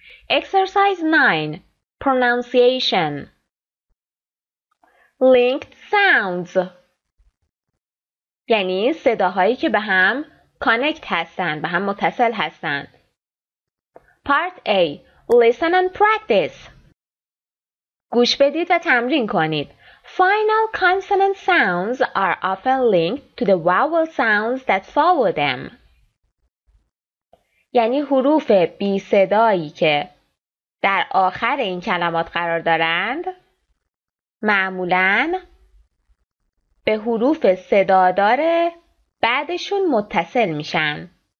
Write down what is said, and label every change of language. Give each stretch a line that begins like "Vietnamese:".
English: exercise 9 pronunciation linked sounds,
Persian: یعنی صداهایی که به هم کانکت هستن، به هم متصل هستن.
English: part A listen and practice،
Persian: گوش بدید و تمرین کنید.
English: Final consonant sounds are often linked to the vowel sounds that follow them.
Persian: یعنی حروف بی صدایی که در آخر این کلمات قرار دارند معمولاً به حروف صدادار بعدشون متصل میشن.